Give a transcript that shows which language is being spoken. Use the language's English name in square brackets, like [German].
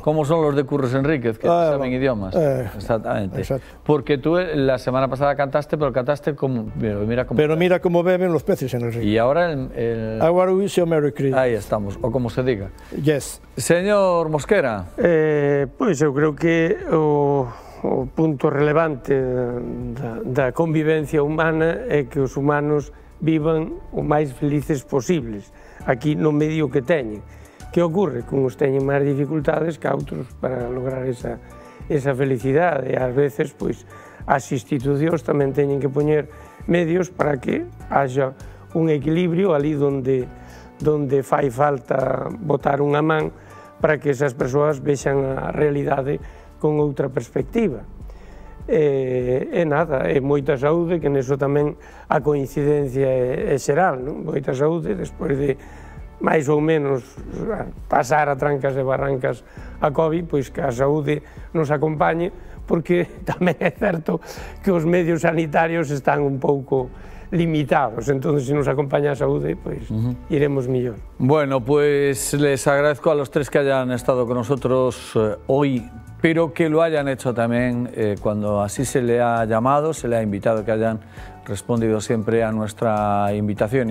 [Spanish] ¿Cómo son los de Curros Enríquez, que saben idiomas? Exactamente. Exacto. Porque tú la semana pasada cantaste, pero cantaste como... Mira cómo pero mira cómo beben los peces en el río. Y ahora [English] I wanna wish you a Merry Christmas. [Spanish] Ahí estamos, o como se diga. [English] Yes. [Spanish] Señor Mosquera. Pues yo creo que... [Galician] O punto relevante da convivencia humana é que os humanos vivan o máis felices posibles aquí no medio que teñen. Que ocorre? Que uns teñen máis dificultades que outros para lograr esa felicidade e ás veces pois, as institucións tamén teñen que poñer medios para que haxa un equilibrio ali donde fai falta botar unha man para que esas persoas vexan a realidade con outra perspectiva. É moita saúde, que neso tamén a coincidencia é xeral, non? Moita saúde, despois de máis ou menos pasar a trancas e barrancas a COVID, pois que a saúde nos acompañe, porque tamén é certo que os medios sanitarios están un pouco limitados. [Spanish] Entonces, si nos acompaña a saúde, pues iremos mejor. Bueno, pues les agradezco a los tres que hayan estado con nosotros hoy, pero que lo hayan hecho también cuando así se le ha llamado, se le ha invitado, que hayan respondido siempre a nuestra invitación.